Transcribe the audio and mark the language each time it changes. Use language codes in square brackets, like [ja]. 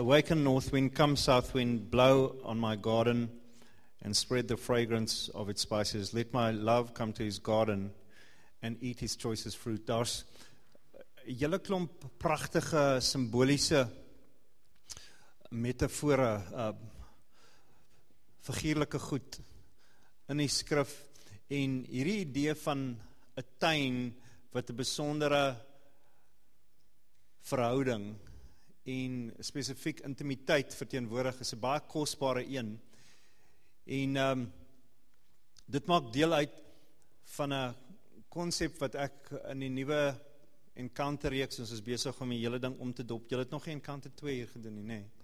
[en] Awaken north wind, come south wind, blow on my garden and spread the fragrance of its spices, let my love come to his garden and eat his choicest fruit. [af] Daar's julle klomp prachtige simboliese metafore, figuurlike goed in die skrif, en hierdie idee van 'n tuin wat 'n besondere verhouding en spesifiek intimiteit verteenwoordig is 'n baie kosbare een, en dit maak deel uit van 'n konsep wat ek in die nuwe Encounter reeks, ons is besig om die hele ding om te dop. Julle het nog geen Encounter 2 hier gedoen nie, nê?